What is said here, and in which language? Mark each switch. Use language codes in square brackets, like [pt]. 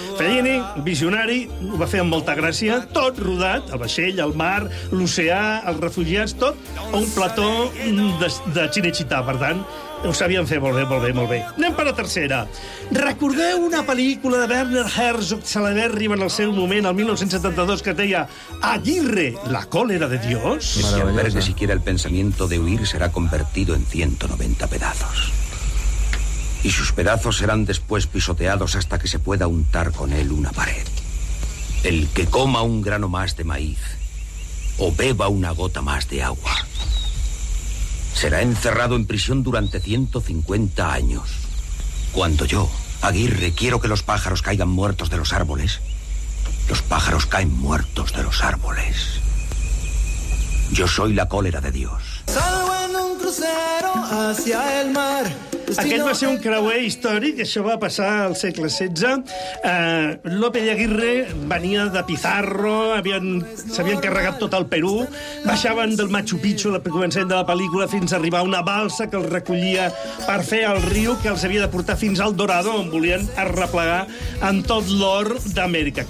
[ca] Fellini, visionari, ho va fer amb molta gràcia, tot rodat, el vaixell, el mar, l'oceà, els refugiats, tot un plató de Cinecittà, per tant, ho sabien fer molt bé, molt bé, molt bé. Anem per la tercera. Recordeu una pel·lícula de Werner Herzog, Salaverri, en el seu moment, el 1972, que deia Aguirre, la còlera de Dios? [es] Si albergue siquiera el pensamiento de huir, será convertido en 190 pedazos. Y sus pedazos serán después pisoteados hasta que se pueda untar con él una pared. El que coma un grano más de maíz o beba una gota más de agua será encerrado en prisión durante 150 años. Cuando yo, Aguirre, quiero que los pájaros caigan muertos de los árboles, los pájaros caen muertos de los árboles. Yo soy la cólera de Dios. Salgo en un crucero hacia el mar. [ca] Aquest va ser un creuer històric, això va passar al segle XVI. López de Aguirre venia de Pizarro, s'havien carregat tot el Perú, baixaven del Machu Picchu, el començament de la pel·lícula, fins a arribar a una balsa que els recollia per fer el riu que els havia de portar fins al Dorado, on volien arreplegar en tot l'or d'Amèrica.